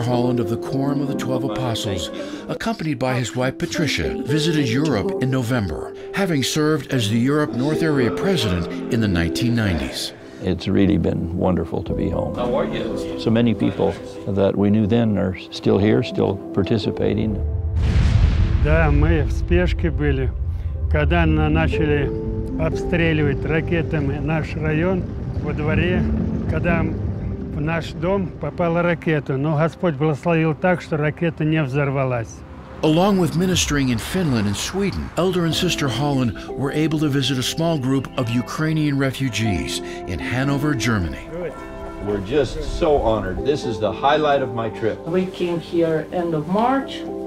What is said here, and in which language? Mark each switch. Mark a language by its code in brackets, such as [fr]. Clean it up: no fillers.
[en] Holland of the Quorum of the Twelve Apostles, accompanied by his wife Patricia, visited Europe in November, having served as the Europe North Area President in the 1990s. It's really been wonderful to be home. How are you? So many people that we knew then are still here, still participating. [ru] Да, мы в спешке были, когда начали обстреливать ракетами наш район во дворе, когда в наш дом попала ракета. Но Господь благословил так, что ракета не взорвалась. [en] Along with ministering in Finland and Sweden, Elder and Sister Holland were able to visit a small group of Ukrainian refugees in Hanover, Germany. We're just so honored. This is the highlight of my trip. We came here end of March.